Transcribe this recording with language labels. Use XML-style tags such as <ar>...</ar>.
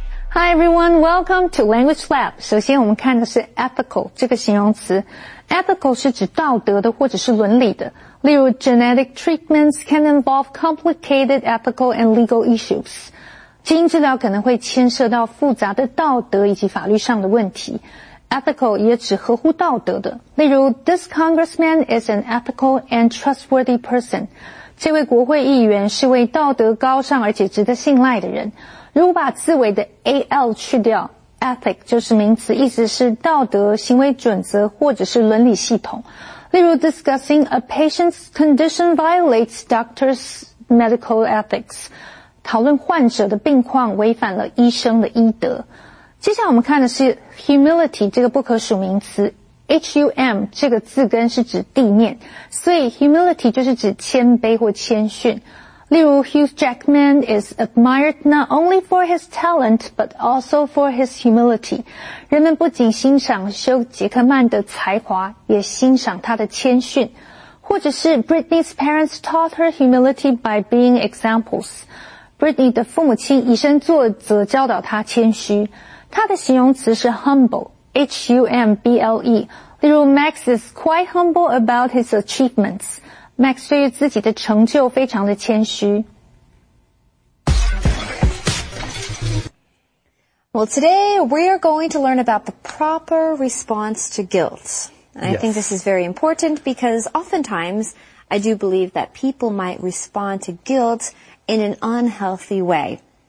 <en>Hi everyone, welcome to Language Lab.</en> <zh>首先我们看的是 ethical 这个形容词。 Ethical 是指道德的或者是伦理的。</zh> <en>例如 genetic treatments can involve complicated ethical and legal issues.</en> <zh>基因治疗可能会牵涉到复杂的道德以及法律上的问题。 Ethical 也指合乎道德的。</zh> <en>例如 This congressman is an ethical and trustworthy person.</en> <zh>这位国会议员是位道德高尚而且值得信赖的人。如果把字尾的 AL 去掉 ,Ethic 就是名词，意思是道德行为准则或者是伦理系统。</zh> <en>例如 Discussing a patient's condition violates doctor's medical ethics.</en> <zh>讨论患者的病况违反了医生的医德。接下来我们看的是 humility 这个不可数名词 ,hum 这个字根是指地面。所以 humility 就是指谦卑或谦逊。</zh> <en>例如 Hugh Jackman is admired not only for his talent, but also for his humility.</en> <zh>人们不仅欣赏休·杰克曼的才华也欣赏他的谦逊。或者是</zh> <en>Britney's parents taught her humility by being examples.</en> <zh>Britney 的父母亲以身作则教导她谦虚。她的形容词是 humble,H-U-M-B-L-E。</zh> <en>例如 Max is quite humble about his achievements.</en> <zh>Max 对于自己的成就非常的谦虚。</zh> <en>Well, today we are going to learn about the proper response to guilt. And I think this is very important because oftentimes I do believe that people might respond to guiltin an unhealthy way.</en>